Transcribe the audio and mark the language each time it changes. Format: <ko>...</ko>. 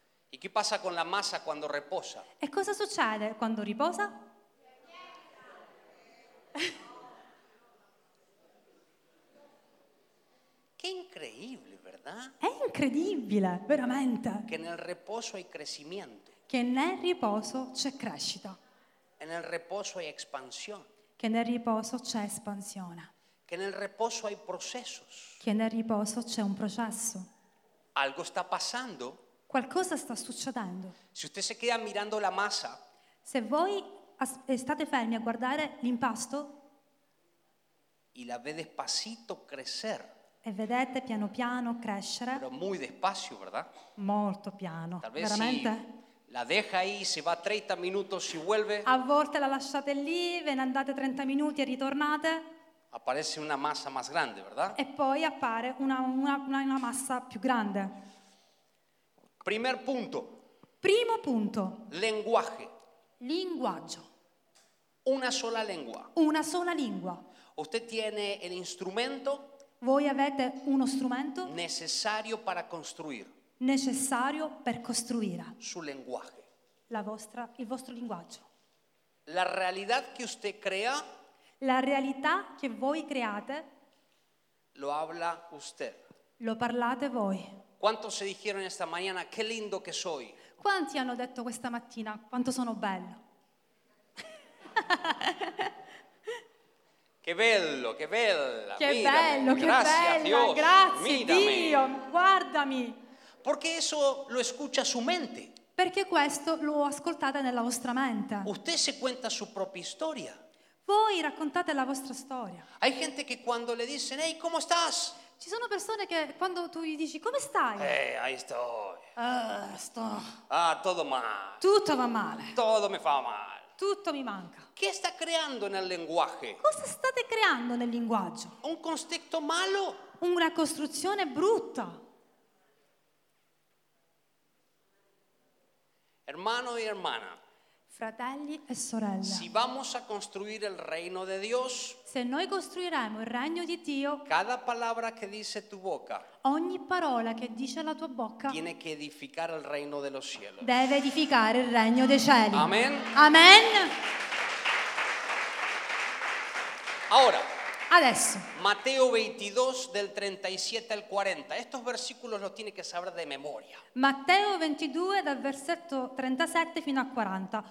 <es>¿Y qué pasa con la masa cuando reposa?</es> <it>¿E cosa succede quando riposa?</it> <es>Qué increíble, ¿verdad?</es> <it>È incredibile, veramente.</it> <es>Que en el reposo hay crecimiento.</es> <it>Che nel riposo c'è crescita.</it> <es>En el reposo hay expansión.</es> <it>Che nel riposo c'è espansione.</it> <es>Que en el reposo hay procesos.</es> <it>Che nel riposo c'è un processo.</it> <es>Algo</es> <it>sta passando. Qualcosa sta succedendo.</it> <es>Si usted se queda mirando la masa.</es> <it>Se voi state fermi a guardare l'impasto.</it> <es>Y la ve despacito crecer.</es> <it>E vedete piano piano crescere.</it> <es>Pero muy despacio, ¿verdad?</es> <it>Molto piano.</it> <es>Tal vez</es> <it>veramente.</it> <es>Si la deja ahí, se va 30 minutos y vuelve.</es> <it>A volte la lasciate lì, ve ne andate 30 minuti e ritornate.</it> <es>Aparece una masa más grande, ¿verdad?</es> <it>E poi appare una masa più grande.</it> <es>Primer punto.</es> <it>Primo punto.</it> <es>Lenguaje.</es> <it>Linguaggio.</it> <es>Una sola lengua.</es> <it>Una sola lingua.</it> <es>Usted tiene el instrumento.</es> <it>Voi avete uno strumento.</it> <es>Necesario para construir.</es> <it>Necessario per costruire.</it> <es>Su lenguaje.</es> <it>Il vostro linguaggio.</it> <es>La realidad que usted crea.</es> <it>La realtà che voi create</it> <es>lo habla usted.</es> <it>Lo parlate voi.</it> <es>¿Cuántos se dijeron esta mañana qué lindo que soy?</es> <it>Quanti hanno detto questa mattina quanto sono bello?</it> <es>Qué bello, qué bella. Qué mírame.</es> <it>Bello,</it> <es>gracias, qué bella. Dios.</es> <it>Grazie,</it> <es>mírame.</es> <it>Dio, guardami.</it> <es>Porque eso lo escucha su mente.</es> <it>Perché questo lo ascoltate nella vostra mente.</it> <es>Usted se cuenta su propia historia.</es> <it>Voi raccontate la vostra storia.</it> <es>Hay gente que cuando le dicen, hey, ¿cómo estás?</es> <it>Ci sono persone che quando tu gli dici, come stai?</it> <es>Ahí estoy.</es> <it>Sto.</it> <es>Ah, todo mal.</es> <it>Tutto va male.</it> <es>Todo me fa mal.</es> <it>Tutto mi manca.</it> <es>¿Qué está creando en el lenguaje?</es> <it>Cosa state creando nel linguaggio? Un concetto malo? Una costruzione brutta.</it> <es>Hermano y hermana.</es> <it>Fratelli e sorelle.</it> <es>Si vamos a construir el reino de Dios.</es> <it>Se noi costruiremo il regno di Dio.</it> <es>Cada palabra que dice tu boca.</es> <it>Ogni parola che dice la tua bocca.</it> <es>Tiene que edificar el reino de los cielos.</es> <it>Deve edificare il regno dei cieli.</it> <es>Amen.</es> <it>Amen.</it> <es>Ahora.</es> <it>Adesso.</it> <es>Mateo 22 del 37 al 40. Estos versículos los tiene que saber de memoria.</es> <it>Matteo 22 dal versetto 37 fino a 40.</it>